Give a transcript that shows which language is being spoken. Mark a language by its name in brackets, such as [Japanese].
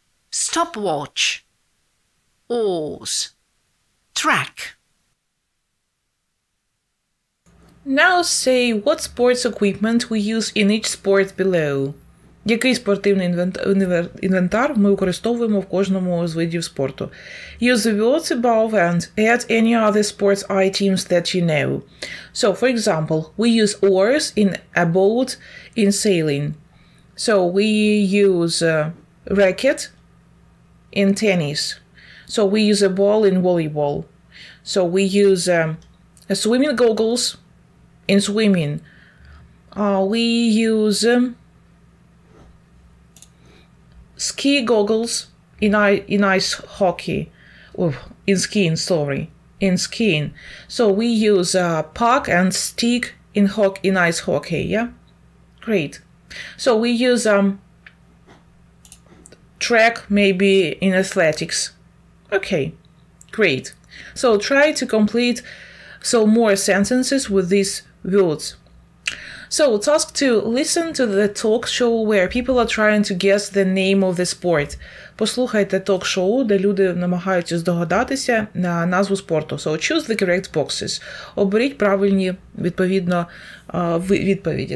[English] Stopwatch. Oars. Track. Now say what sports equipment we use in each sport below. [Ukrainian] Який спортивний інвентар ми використовуємо в кожному з видів спорту? [English] Use the words above and add any other sports items that you know. So, for example, we use oars in a boat in sailing. So, we use a racket in tennis. So, we use a ball in volleyball. So, we use swimming goggles in swimming. We use ski goggles in ice hockey, in skiing. So we use a puck and stick in ice hockey, yeah? Great. So we use track maybe in athletics. Okay, great. So try to complete some more sentences with these words. So, task 2. Listen to the talk show where people are trying to guess the name of the sport. [Ukrainian] Послухайте ток-шоу, де люди намагаються здогадатися на назву спорту. [English] So, choose the correct boxes. [Ukrainian] Оберіть правильні, відповідно, відповіді.